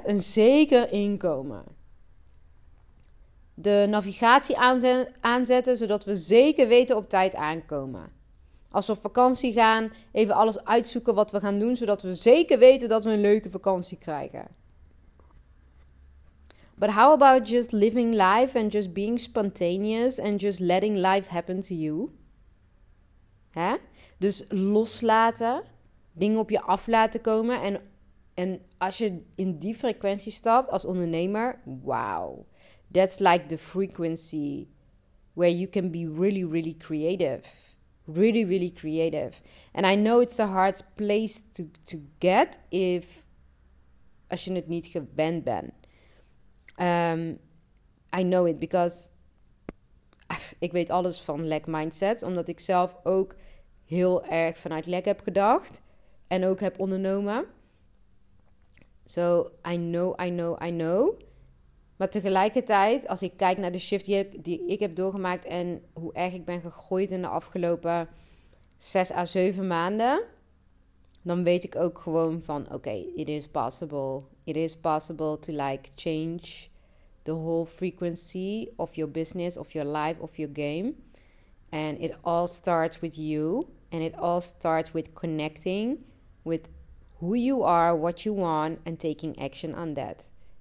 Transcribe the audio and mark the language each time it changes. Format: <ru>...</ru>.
<nl>Een zeker inkomen. De navigatie aanzetten, zodat we zeker weten op tijd aankomen. Als we op vakantie gaan, even alles uitzoeken wat we gaan doen, zodat we zeker weten dat we een leuke vakantie krijgen.</nl> <en>But how about just living life and just being spontaneous and just letting life happen to you? Hè?</en> <nl>Dus loslaten, dingen op je af laten komen. En als je in die frequentie stapt als ondernemer, wauw.</nl> <en>That's like the frequency where you can be really, really creative. Really, really creative. And I know it's a hard place to get if</en> <nl>als je het niet gewend bent.</nl> <en>I know it because</en> <nl>ik weet alles van lack mindsets. Omdat ik zelf ook heel erg vanuit lack heb gedacht. En ook heb ondernomen.</nl> <en>So I know.</en> <nl>Maar tegelijkertijd, als ik kijk naar de shift die ik heb doorgemaakt en hoe erg ik ben gegroeid in de afgelopen 6 à 7 maanden, dan weet ik ook gewoon van,</nl> <en>okay, it is possible. It is possible to like change the whole frequency of your business, of your life, of your game. And it all starts with you. And it all starts with connecting with who you are, what you want, and taking action on that.</en>